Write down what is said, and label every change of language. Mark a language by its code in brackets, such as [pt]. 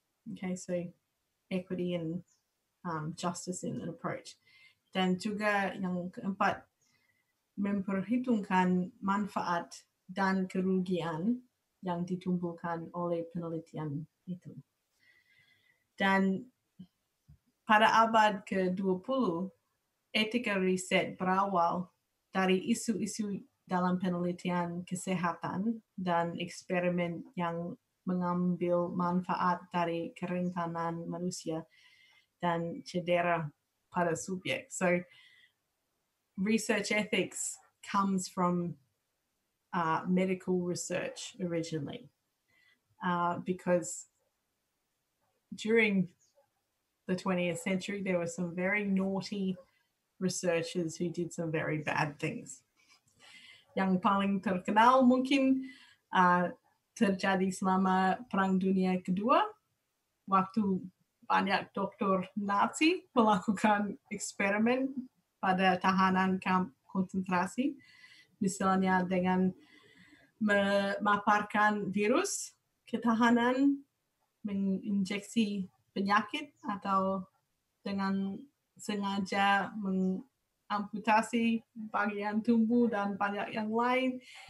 [en] Okay, so equity and justice in an approach. [id] Dan juga yang 4, memperhitungkan manfaat dan kerugian yang ditumbuhkan oleh penelitian itu. Dan pada abad ke-20, etika riset berawal dari isu-isu dalam penelitian kesehatan dan eksperimen yang mengambil manfaat dari kerentanan manusia dan cedera pada subjek. [en] So, research ethics comes from medical research originally, because during the 20th century, there were some very naughty researchers who did some very bad things. [id] Yang paling terkenal mungkin terjadi selama Perang Dunia Kedua, waktu banyak dokter Nazi melakukan eksperimen pada tahanan kamp konsentrasi, misalnya dengan memaparkan virus ke tahanan, menginjeksi penyakit, atau dengan sengaja mengamputasi bagian tubuh dan banyak yang lain.